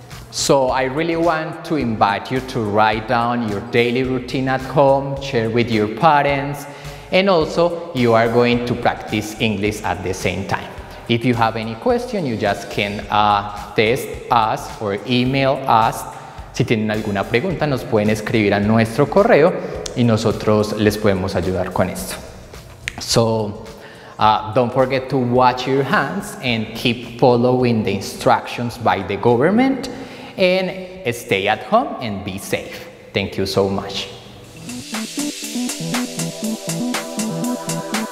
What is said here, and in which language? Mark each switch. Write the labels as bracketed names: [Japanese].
[English] So I really want to invite you to write down your daily routine at home, share with your parents, and also you are going to practice English at the same time. If you have any question, you just can text us or email us. [Spanish] Si tienen alguna pregunta, nos pueden escribir a nuestro correo y nosotros les podemos ayudar con esto. [English] So, don't forget to wash your hands and keep following the instructions by the government, and stay at home and be safe. Thank you so much.